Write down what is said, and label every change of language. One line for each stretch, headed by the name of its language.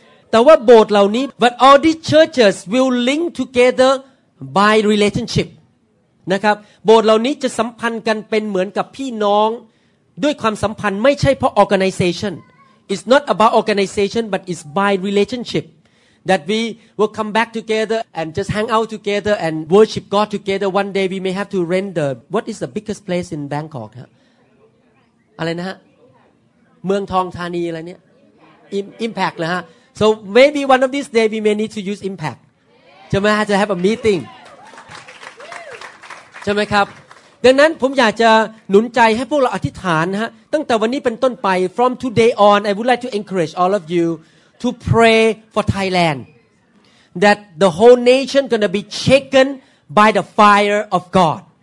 Thai: แต่ว่าโบสถ์เหล่านี้
English: but all these churches will link together by relationship
Thai: นะครับโบสถ์เหล่านี้จะสัมพันธ์กันเป็นเหมือนกับพี่น้องด้วยความสัมพันธ์ไม่ใช่เพราะ
English: organization it's not about organization but it's by relationshipThat we will come back together and just hang out together and worship God together. One day we may have to rent the what is the biggest place in Bangkok?
Thai: อะไรนะฮะเมืองทองธานีอะไรเนี่ย
English: Impact
Thai: เหรอฮะ
English: So maybe one of these days we may need to use Impact.
Thai: จะไหมฮะ
English: to have a meeting.
Thai: ใช่ไหมครับดังนั้นผมอยากจะหนุนใจให้พวกเราอธิษฐานฮะตั้งแต่วันนี้เป็นต้นไป
English: From today on, I would like to encourage all of youTo pray for Thailand, that the whole nation gonna be shaken by the fire of God.